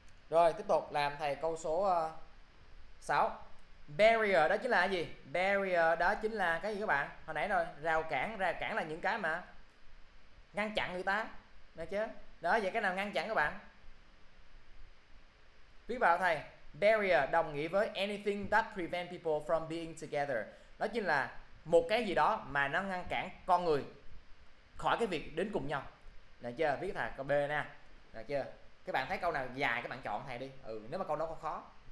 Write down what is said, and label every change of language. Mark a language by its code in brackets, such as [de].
[vi] Rồi, tiếp tục làm thầy câu số 6. Barrier đó chính là gì? Barrier đó chính là cái gì các bạn? Hồi nãy rồi, rào cản là những cái mà ngăn chặn người ta. Được chưa? Đó, vậy cái nào ngăn chặn các bạn? Viết vào thầy. [en] Barrier [vi] đồng nghĩa với [en] anything that prevent people from being together. [vi] Đó chính là một cái gì đó mà nó ngăn cản con người khỏi cái việc đến cùng nhau. Được chưa? Viết thầy câu B nè. Được chưa? Các bạn thấy câu nào dài các bạn chọn thầy đi. Ừ, nếu mà câu đó có khó.